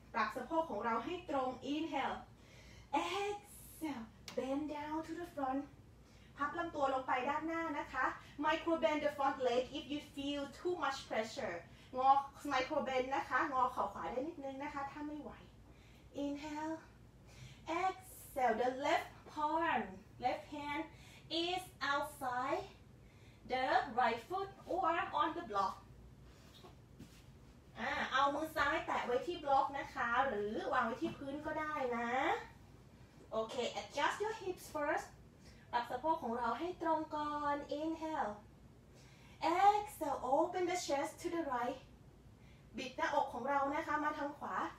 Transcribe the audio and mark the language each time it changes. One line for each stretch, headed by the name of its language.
Thai: ปรับสะโพกของเราให้ตรง
English: Inhale. Exhale. Bend down to the front.
Thai: พับลำตัวลงไปด้านหน้านะคะ
English: Micro bend the front leg if you feel too much pressure.
Thai: งอ micro bend นะคะงอเข่าขวาได้นิดนึงนะคะถ้าไม่ไหว Inhale.
English: Exhale. The left palm, left hand is outside the right foot or on the block.
Thai: เอามือซ้ายแตะไว้ที่บล็อกนะคะหรือวางไว้ที่พื้นก็ได้นะ
English: Okay, adjust your hips first.
Thai: ปรับสะโพกของเราให้ตรงก่อน.
English: Inhale. Exhale. Open the chest to the right.
Thai: บิดหน้าอกของเรานะคะมาทางขวา.